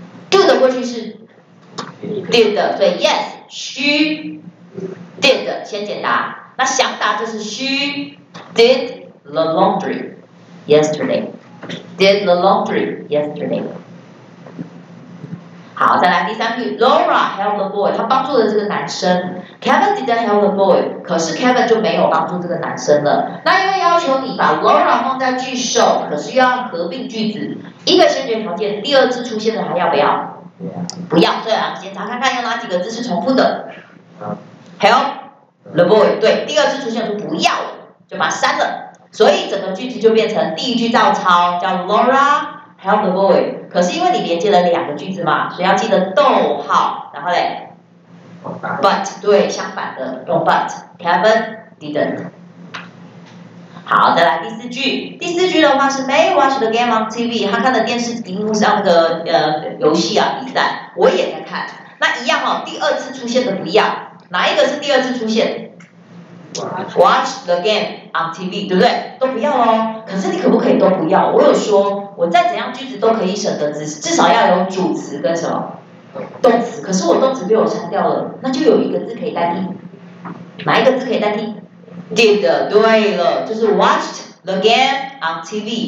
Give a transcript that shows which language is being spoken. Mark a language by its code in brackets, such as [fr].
[zh] do 的过去式 did， 所以 [en] yes she did [zh] 先解答。那想答就是 she did。 [en] The laundry yesterday. Did the laundry yesterday. [zh] 好，再来第三句。 [en] Laura helped the boy. [zh] 她帮助了这个男生。 [en] Kevin didn't help the boy. [zh] 可是 Kevin 就没有帮助这个男生了。那因为要求你把 Laura 放在句首，可是又要合并句子，一个先决条件，第二次出现的还要不要？ Yeah. 不要。所以我们检查看看有哪几个字是重复的。 [en] Help the boy. [zh] 对，第二次出现就不要了，就把它删了。所以整个句子就变成第一句照抄，叫 [en] Laura help the boy。 [zh] 可是因为你连接了两个句子嘛，所以要记得逗号，然后嘞 ，but 对，相反的用 but。 [en] Kevin didn't。 [zh] 好，再来第四句。第四句的话是 [en] May watch the game on TV， [zh] 他看的电视屏幕上的游戏啊比赛，我也在看。那一样哦，第二次出现的不一样，哪一个是第二次出现？ [en] Watch the game on TV， [zh] 对不对？都不要哦。可是你可不可以都不要？我有说，我再怎样句子都可以省的，至少要有主词跟什么动词。可是我动词被我删掉了，那就有一个字可以代替。哪一个字可以代替 ？Did， 对了，就是 [en] watched the game on TV。